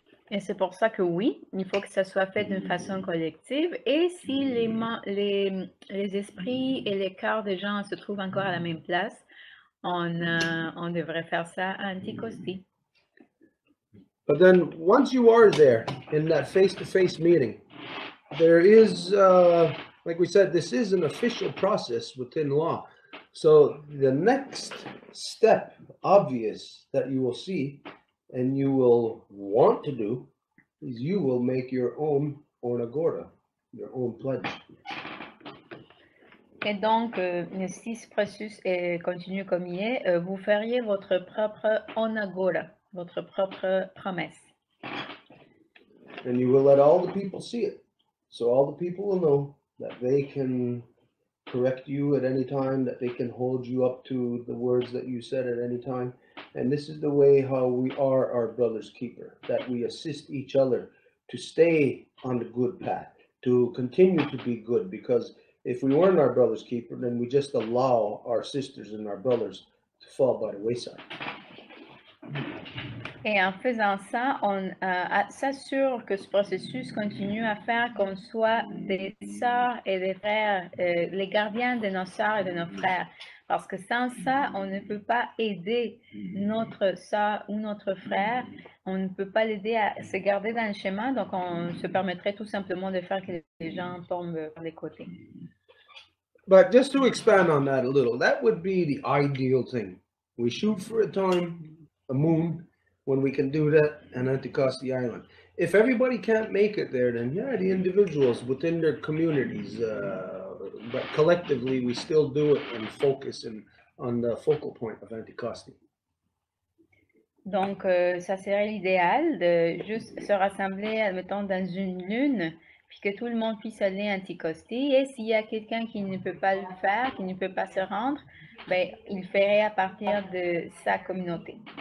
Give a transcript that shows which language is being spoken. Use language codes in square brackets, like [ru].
[fr] Et c'est pour ça que oui, il faut que ça soit fait d'une façon collective. Et si les esprits et les cœurs des gens se trouvent encore à la même place, on devrait faire ça à Anticosti. [en] But then, once you are there in that face-to-face meeting, there is like we said, this is an official process within law. So the next step, obvious, that you will see and you will want to do is you will make your own onagora, your own pledge. [fr] Et donc, si ce processus est continu comme il est, vous feriez votre propre onagora, votre propre promesse. [en] And you will let all the people see it. So all the people will know that they can correct you at any time, that they can hold you up to the words that you said at any time. And this is the way how we are our brother's keeper, that we assist each other to stay on the good path, to continue to be good, because if we weren't our brother's keeper, then we just allow our sisters and our brothers to fall by the wayside. [fr] Et en faisant ça, on s'assure que ce processus continue à faire qu'on soit des sœurs et des frères, les gardiens de nos sœurs et de nos frères. Parce que sans ça, on ne peut pas aider notre sœur ou notre frère. On ne peut pas l'aider à se garder dans le chemin. Donc, on se permettrait tout simplement de faire que les gens tombent par les côtés. [en] But just to expand on that a little, that would be the ideal thing. We shoot for a time, a moon, when we can do that, and Anticosti the island. If everybody can't make it there, then yeah, the individuals within their communities, but collectively, we still do it and focus in, on the focal point of Anticosti. [fr] Donc, ça serait l'idéal de juste se rassembler, admettons, dans une lune, puis que tout le monde puisse aller à Anticosti. Et s'il y a quelqu'un qui ne peut pas le faire, qui ne peut pas se rendre, ben, il ferait à partir de sa communauté.